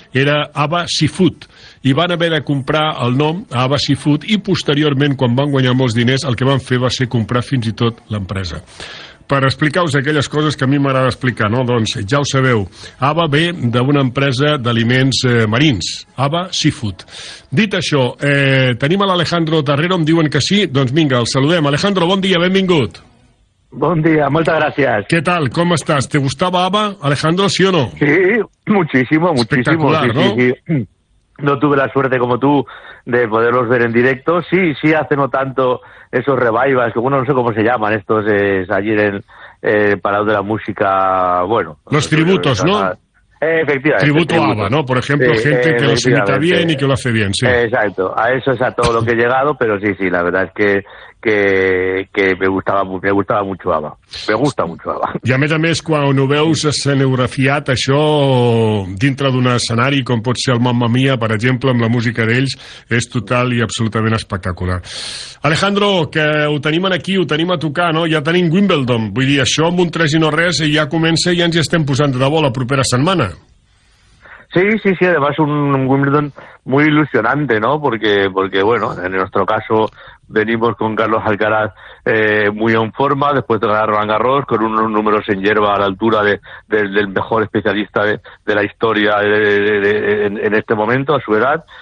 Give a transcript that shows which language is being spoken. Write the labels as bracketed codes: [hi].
[ca] Era ABBA Seafood. I van haver de comprar el nom ABBA Seafood, i posteriorment, quan van guanyar molts diners, el que van fer va ser comprar fins i tot l'empresa. Per explicar-vos aquelles coses que a mi m'agrada explicar, no? Doncs ja ho sabeu, ABBA ve d'una empresa d'aliments marins, ABBA Seafood. Dit això, tenim a l'Alejandro Terrero, em diuen que sí, doncs vinga, el saludem. Alejandro, bon dia, benvingut. Bon dia, moltes gràcies. Què tal, com estàs? [es] ¿Te gustava ABBA, Alejandro, sí o no? Sí, muchísimo, muchísimo. Espectacular, sí, ¿no? Sí, sí. No tuve la suerte como tú de poderlos ver en directo. Sí, sí, hace no tanto esos revivals, que bueno, no sé cómo se llaman estos, allí en el Palau de la Música, bueno. Los tributos, ¿no? Efectivamente. Tributo a ABBA, ¿no? Por ejemplo, sí, gente que los imita bien y que lo hace bien, sí. Exacto, a eso es a todo lo que he llegado, pero sí, sí, la verdad es que me gustava mucho ABBA. Me gusta mucho ABBA. [ca] I a més, quan ho veus escenografiat, això, dintre d'un escenari, com pot ser el Mamma Mia, per exemple, amb la música d'ells, és total i absolutament espectacular. Alejandro, que ho tenim aquí, ho tenim a tocar, no? Ja tenim Wimbledon. Vull dir, això amb un 3 i no res ja comença i ja ens hi estem posant de debò la propera setmana. [es] Sí, sí, sí, además un Wimbledon muy ilusionante, ¿no? Porque bueno, en nuestro caso venimos con Carlos Alcaraz muy en forma, después de ganar Roland Garros, con unos números en hierba a la altura del mejor especialista de la historia en este momento, a su edad.